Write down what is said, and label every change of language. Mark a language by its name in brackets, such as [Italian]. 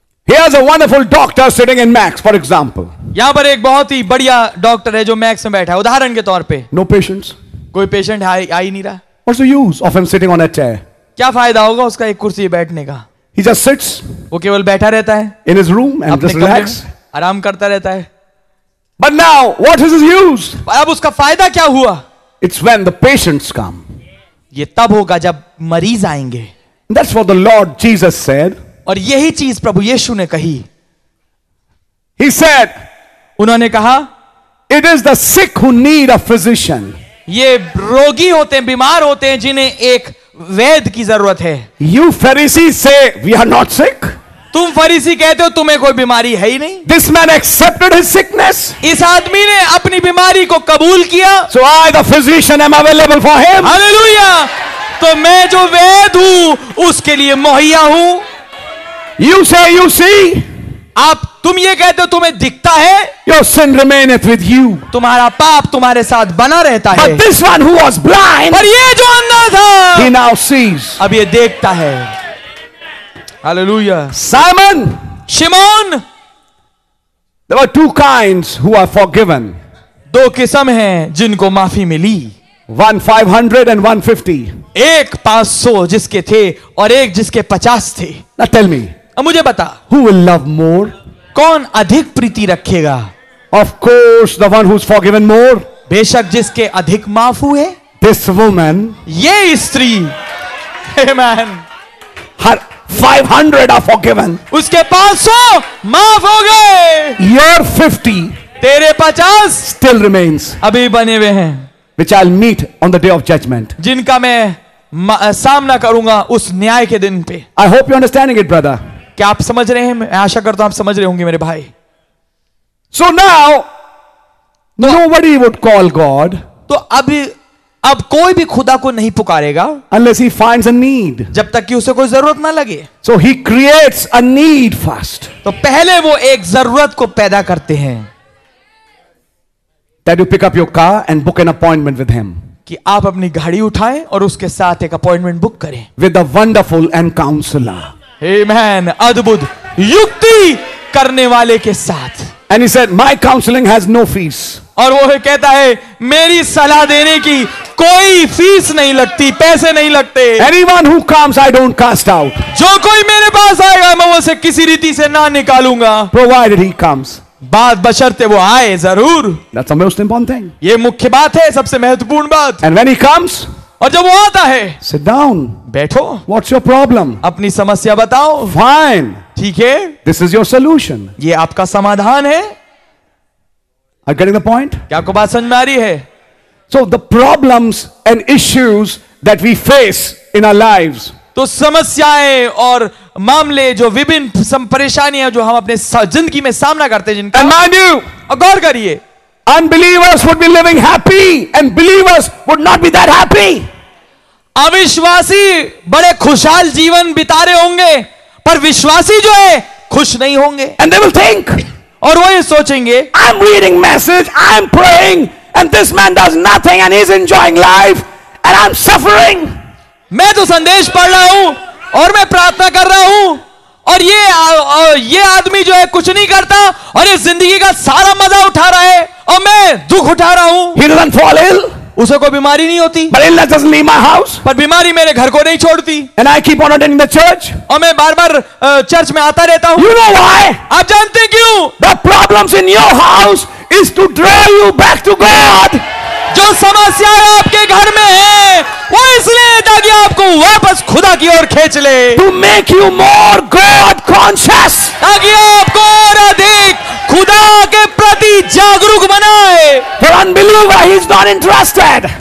[English] here is a wonderful doctor sitting in Max for example [Hindi] यहां पर एक बहुत ही बढ़िया डॉक्टर है जो मैक्स में बैठा है उदाहरण के तौर पे [English] no patients [Hindi] कोई पेशेंट आई नहीं रहा [English] what's the use of him sitting on a chair [Hindi] क्या फायदा होगा उसका एक कुर्सी बैठने का [English] He just sits. [Hindi] वो केवल बैठा रहता है. [English] In his room and just relax. [Hindi] आराम करता रहता है. [English] But now, what is his use? [Hindi] अब उसका फायदा क्या हुआ? [English] It's when the patients come. [Hindi] ये तब होगा जब मरीज आएंगे. [English] That's what the Lord Jesus said. [Hindi] और यही चीज प्रभु यीशु ने कही. [English] He said. [Hindi] उन्होंने कहा. [English] It is the sick who need a physician. [Hindi] ये रोगी होते हैं, बीमार होते हैं, जिन्हें एक वैद्य की जरूरत है [English] you Pharisee say we are not sick [Hindi] तुम फरीसी कहते हो तुम्हें कोई बीमारी है ही नहीं. [English] This man accepted his sickness. [Hindi] इस आदमी ने अपनी बीमारी को कबूल किया. [English] So I, the physician, am available for him. Hallelujah. [Hindi] तो मैं जो वैद्य हूँ उसके लिए मुहैया हूँ. [English] You say you see. [Hindi] आप तुम ये कहते हो तुम्हें दिखता है. [English] Your sin remaineth with you. [Hindi] तुम्हारा पाप तुम्हारे साथ बना रहता है. [English] But this one who was blind. [Hindi] पर ये जो अंधा था. [English] He now sees. [Hindi] अब ये देखता है. Hallelujah. [English] Simon. [Hindi] Shimon. [English] There were two kinds who are forgiven. [Hindi] दो किस्म हैं जिनको माफी मिली. [English] One 500 and one 50. [Hindi] एक 500 जिसके थे और एक जिसके 50 थे. [English] Now tell me. [Hindi] अब मुझे बता. [English] Who will love more? [Hindi] कौन अधिक प्रीति रखेगा? [English] Of course, the one who's forgiven more. [Hindi] बेशक जिसके अधिक माफ हुए. [English] This woman. [Hindi] ये स्त्री. Amen. [English] हर 500 are forgiven. [Hindi] उसके 500 माफ हो गए. [English] Your 50. [Hindi] तेरे 50. [English] Still remains. [Hindi] अभी बने हुए हैं. [English] Which I'll meet on the day of judgment. [Hindi] जिनका मैं सामना करूंगा उस न्याय के दिन पे. [English] I hope you're understanding it, brother. [Hindi] क्या आप समझ रहे हैं? मैं आशा करता हूं आप समझ रहे होंगे मेरे भाई. [English] So now, nobody would call God. [Hindi] तो अभी अब कोई भी खुदा को नहीं पुकारेगा. [English] Unless he finds a need. [Hindi] जब तक कि उसे कोई जरूरत ना लगे. [English] So he creates a need first. [Hindi] तो पहले वो एक जरूरत को पैदा करते हैं. [English] That you pick up your car and book an appointment with him. [Hindi] कि आप अपनी गाड़ी उठाएं और उसके साथ एक अपॉइंटमेंट बुक करें. [English] With a wonderful and counselor. Amen. [Hindi] अद्भुत युक्ति करने वाले के साथ. [English] And he said, my counseling has no fees. [Hindi] और वो कहता है मेरी सलाह देने की कोई फीस नहीं लगती, पैसे नहीं लगते. [English] Anyone who comes, I don't cast out. [Hindi] जो कोई मेरे पास आएगा मैं उसे किसी रीति से ना निकालूंगा. [English] Provided he comes. [Hindi] बात बशर्ते वो आए जरूर. [English] That's the most important thing. [Hindi] ये मुख्य बात है, सबसे महत्वपूर्ण बात. [English] And when he comes, [Hindi] और जब वो आता है, [English] sit down. [Hindi] बैठो. [English] What's your problem? [Hindi] अपनी समस्या बताओ. [English] Fine. [Hindi] ठीक है. [English] This is your solution. [Hindi] ये आपका समाधान है. [English] Are you getting the point? [Hindi] क्या आपको बात समझ में आ रही है? [English] So the problems and issues that we face in our lives. [Hindi] तो समस्याएं और मामले जो विभिन्न परेशानियां जो हम अपने जिंदगी में सामना करते हैं जिनका. [English] And mind you, [Hindi] गौर करिए. [English] Unbelievers would be living happy and believers would not be that happy. [Hindi] अविश्वासी बड़े खुशहाल जीवन बिता रहे होंगे पर विश्वासी जो है खुश नहीं होंगे. [English] And they will think. [Hindi] और वो ये सोचेंगे. [English] I'm reading message, I'm praying and this man does nothing and he's enjoying life and I'm suffering. [Hindi] मैं तो संदेश पढ़ रहा हूं और मैं प्रार्थना कर रहा हूं और ये आदमी जो है कुछ नहीं करता और ये जिंदगी का सारा मजा उठा रहा है और मैं दुख उठा रहा हूं. [English] He doesn't fall ill. [Hindi] उसे कोई बीमारी नहीं होती. [English] But illness doesn't leave my house. [Hindi] पर बीमारी मेरे घर को नहीं छोड़ती. [English] And I keep on attending the church. [Hindi] और मैं बार बार चर्च में आता रहता हूं. [English] You know why? [Hindi] आप जानते क्यों? [English] The problems in your house is to draw you back to God. [Hindi] जो समस्याएं आपके घर में है वो इसलिए ताकि आपको वापस खुदा की ओर खींच ले. [English] To make you more God conscious. [Hindi] ताकि आपको और अधिक खुदा के प्रति जागरूक बनाए. [English] For unbeliever he is not interested.